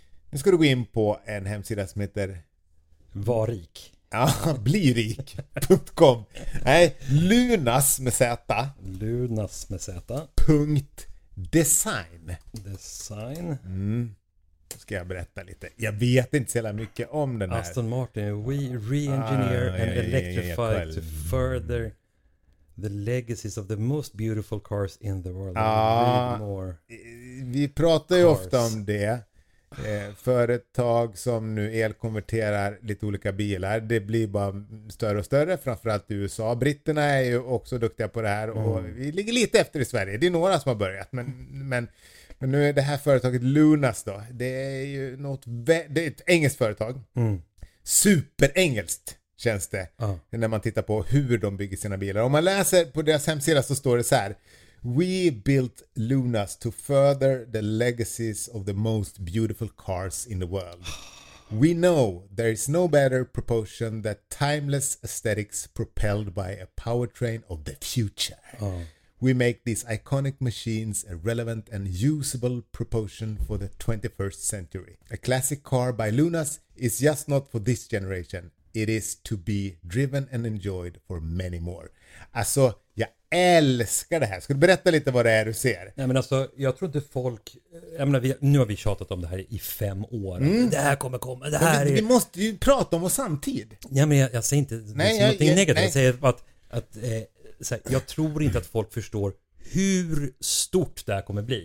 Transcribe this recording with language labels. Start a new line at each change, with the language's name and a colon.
Swedish: Nu ska du gå in på en hemsida som heter... Var rik. Ja, blirik.com. Nej, Lunas med Z. Lunas med Z. Punkt design. Design. Mm. Ska jag berätta lite. Jag vet inte så mycket om den här.
English: Aston Martin, we re-engineer and electrify to further the legacies of the most beautiful cars in the world.
Swedish: Vi pratar ju ofta om det. Företag som nu elkonverterar lite olika bilar, det blir bara större och större, framförallt i USA. Britterna är ju också duktiga på det här och vi ligger lite efter i Sverige. Det är några som har börjat, men nu är det här företaget Lunas då. Det är ju något det är ett engelskt företag. Mm. Superengelskt känns det när man tittar på hur de bygger sina bilar. Om man läser på deras hemsida så står det så här:
English: We built Lunas to further the legacies of the most beautiful cars in the world. We know there is no better proportion than timeless aesthetics propelled by a powertrain of the future. We make these iconic machines a relevant and usable proportion for the 21st century. A classic car by Lunas is just not for this generation. It is to be driven and enjoyed for many more.
Swedish: Alltså, jag älskar det här. Ska du berätta lite vad det är du ser? Nej, men alltså, jag tror inte folk... Jag menar, nu har vi tjatat om det här i 5 år. Mm. Det här kommer komma. Det här vi måste ju prata om det samtidigt. Ja, men jag säger inte något negativt. Jag säger att så här, jag tror inte att folk förstår hur stort det här kommer bli.